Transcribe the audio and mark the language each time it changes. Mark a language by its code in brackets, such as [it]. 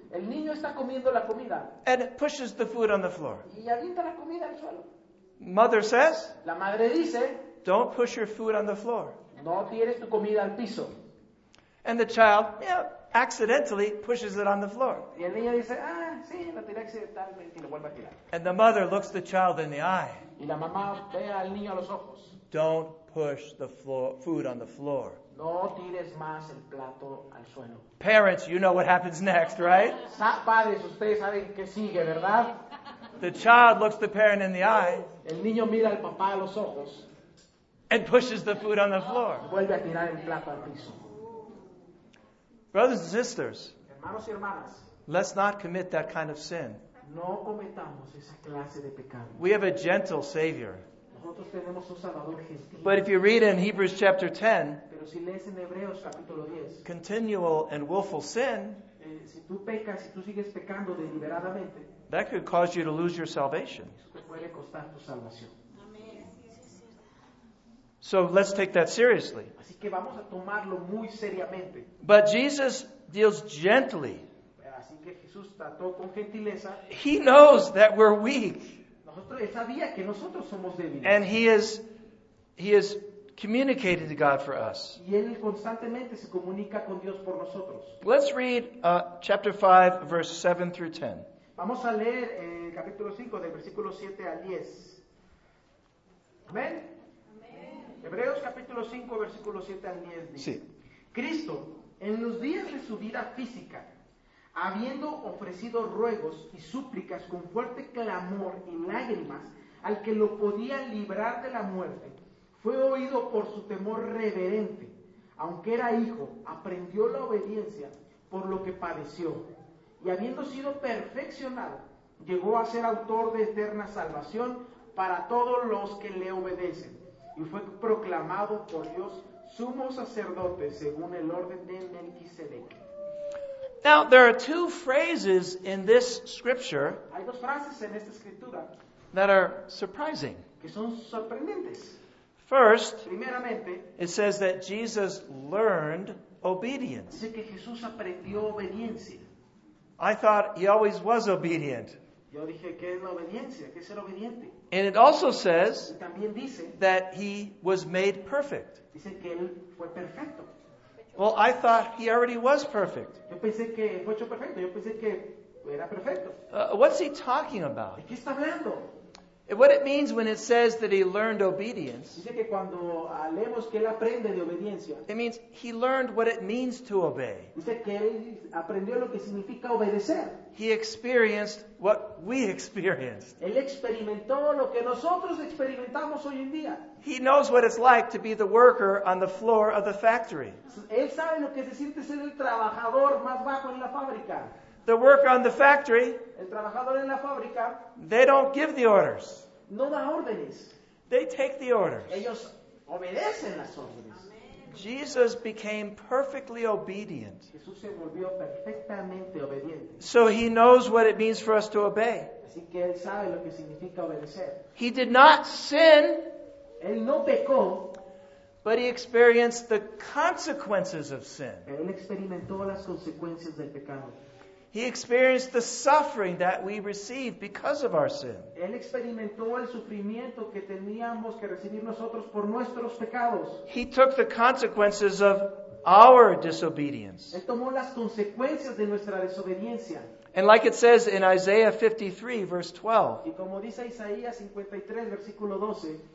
[es] El niño está comiendo la comida. [en] And pushes the food on the floor. [es] Y avienta la comida al suelo. [en] Mother says, [es] la madre dice, [en] don't push your food on the floor. [es] No tires tu comida al piso. [en] And the child, accidentally pushes it on the floor. [es] Y el niño dice, sí, lo tiré accidentalmente y lo vuelve a tirar. [en] And the mother looks the child in the eye. [es] Y la mamá ve al niño a los ojos. [en] Don't push the food on the floor. [es] No tires más el plato al suelo. [en] Parents, you know what happens next, right? [es] Padres, ustedes saben qué sigue, ¿verdad? [en] The child looks the parent in the eye. [es] El niño mira al papá a los ojos. [en] And pushes the food on the floor. [es] Y vuelve a tirar el plato al piso. [en] Brothers and sisters, [es] hermanos y hermanas, [en] let's not commit that kind of sin. [es] No cometamos esa clase de pecado. [en] We have a gentle Savior. [es] Nosotros tenemos un Salvador gentil. [en] But if you read in Hebrews chapter 10, [es] pero si lees en Hebreos, capítulo 10, [en] continual and willful sin, [es] si tú pecas, si tú sigues pecando deliberadamente, [en] that could cause you to lose your salvation. [es] Eso te puede costar tu salvación. [en] So let's take that seriously. [es] Así que vamos a tomarlo muy seriamente. [en] But Jesus deals gently. [es] Así que Jesús trató con gentileza. [en] He knows that we're weak. [es] Nosotros, él sabía que nosotros somos débiles. [en] And he is communicated to God for us. [es] Y él constantemente se comunica con Dios por nosotros. [en] Let's read chapter 5, verse 7 through 10. [es] Vamos a leer el capítulo 5, del versículo 7 al 10. Amén. Hebreos capítulo 5, versículo 7 al 10 dice, sí. Cristo, en los días de su vida física, habiendo ofrecido ruegos y súplicas con fuerte clamor y lágrimas al que lo podía librar de la muerte, fue oído por su temor reverente. Aunque era hijo, aprendió la obediencia por lo que padeció. Y habiendo sido perfeccionado, llegó a ser autor de eterna salvación para todos los que le obedecen. Y fue proclamado por Dios sumo sacerdote según el orden de Melquisedec. [en] Now, there are two phrases in this scripture. [es] Hay dos frases en esta escritura [en] that are surprising. [es] Que son sorprendentes. [en] First, [es] primeramente, [en] it says that Jesus learned obedience. [es] Dice que Jesús aprendió obediencia. [en] I thought he always was obedient. [es] Yo dije, ¿qué es la obediencia? ¿Qué es ser obediente? [en] And it also says [es] también dice, [en] that he was made perfect. [es] Dice que él fue perfecto. [en] Well, I thought he already was perfect. [es] Yo pensé que fue hecho perfecto. Yo pensé que era perfecto. [en] What's he talking about? [es] ¿De qué está hablando? [en] What it means when it says that he learned obedience, [es] dice que cuando leemos que él aprende de obediencia, [en] it means he learned what it means to obey. [es] Dice que él aprendió lo que significa obedecer. [en] He experienced what we experienced. [es] Él experimentó lo que nosotros experimentamos hoy en día. [en] He knows what it's like to be the worker on the floor of the factory. [es] Él sabe lo que se siente ser el trabajador más bajo en la fábrica. [en] The worker on the factory, [es] el trabajador en la fábrica, [en] they don't give the orders. [es] No da órdenes. [en] They take the orders. [es] Ellos obedecen las órdenes. [en] Jesus became perfectly obedient. [es] Jesús se volvió perfectamente obediente. [en] So he knows what it means for us to obey. [es] Así que él sabe lo que significa obedecer. [en] He did not sin. [es] Él no pecó. [en] But he experienced the consequences of sin. [es] Él experimentó las consecuencias del pecado. [en] He experienced the suffering that we receive because of our sin. [es] Él experimentó el sufrimiento que teníamos que recibir nosotros por nuestros pecados. [en] He took the consequences of our disobedience. [es] Él tomó las consecuencias de nuestra desobediencia. [en] And like it says in Isaiah 53, verse 12, [es] y como dice Isaías 53, versículo 12,